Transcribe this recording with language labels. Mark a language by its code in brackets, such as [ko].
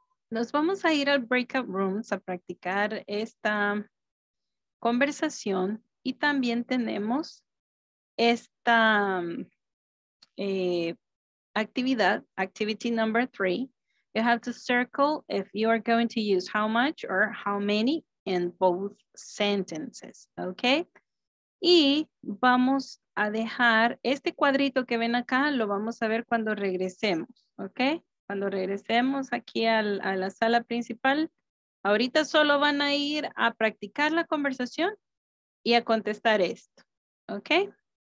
[es] Nos vamos a ir al breakout rooms a practicar esta conversación y también tenemos esta actividad, [en] activity number 3. You have to circle if you are going to use how much or how many in both sentences, okay? [es] Y vamos a dejar este cuadrito que ven acá, lo vamos a ver cuando regresemos, ¿ok? Cuando regresemos aquí a la sala principal, ahorita solo van a ir a practicar la conversación y a contestar esto, ¿ok?